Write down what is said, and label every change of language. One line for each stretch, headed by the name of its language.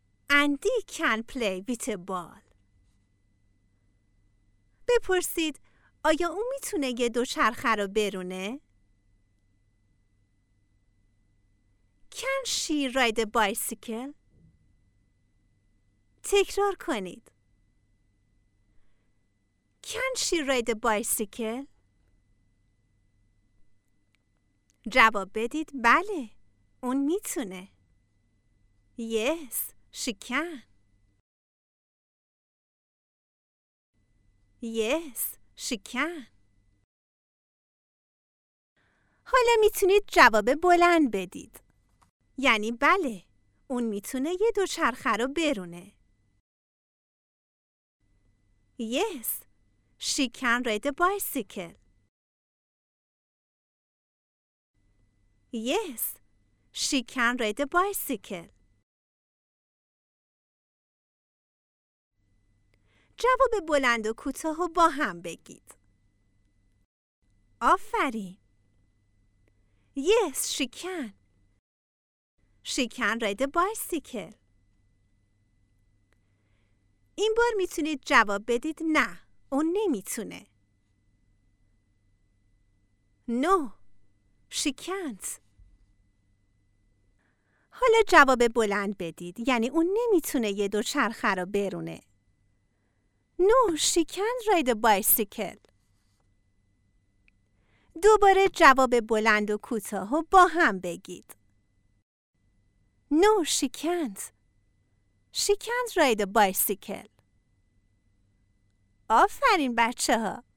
English: Andy can play with a ball.
Persian: بپرسید آیا او میتونه یه دوچرخه رو برونه؟
English: Can she ride a bicycle?
Persian: تکرار کنید.
English: Can she ride a bicycle?
Persian: جواب بدید بله، اون میتونه.
English: Yes, she can. Yes, she can.
Persian: حالا میتونید جواب بلند بدید. یعنی بله، اون میتونه یه دوچرخه رو برونه.
English: Yes. She can ride a bicycle. Yes, she can ride a bicycle.
Persian: جواب بلند و کوتاه با هم بگید. آفرین.
English: Yes, she can. She can ride a bicycle.
Persian: این بار میتونید جواب بدید نه. اون نمیتونه.
English: No, she can't.
Persian: حالا جواب بلند بدید. یعنی اون نمیتونه یه دوچرخه رو برونه.
English: No, she can't ride a bicycle.
Persian: دوباره جواب بلند و کوتاه و با هم بگید.
English: No, she can't. She can't ride a bicycle.
Persian: آفرین بچه ها.